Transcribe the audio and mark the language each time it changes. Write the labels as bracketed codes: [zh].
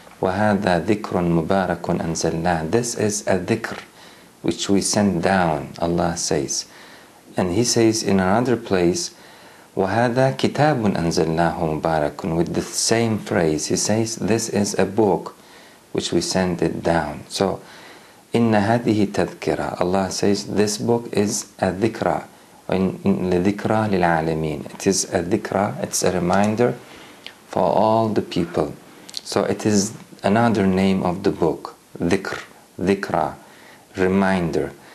[ar] وَهَذَا ذِكْرٌ مُبَارَكٌ أَنزَلْنَاهُ. [en] This is a dhikr which we send down, Allah says. And he says in another place, [ar] وَهَذَا كِتَابٌ أَنزَلْنَاهُ مُبَارَكٌ. [en] With the same phrase, he says, this is a book which we send it down. [ar] So, إِنَّ هَذِهِ تَذْكِرَةٌ. [en] Allah says, this book is a dhikra. [ar] لِذِكْرَى لِلْعَالَمِينَ. [en] It is a dhikra, it's a reminder for all the people. So it is another name of the book. Dhikr, dhikra, reminder.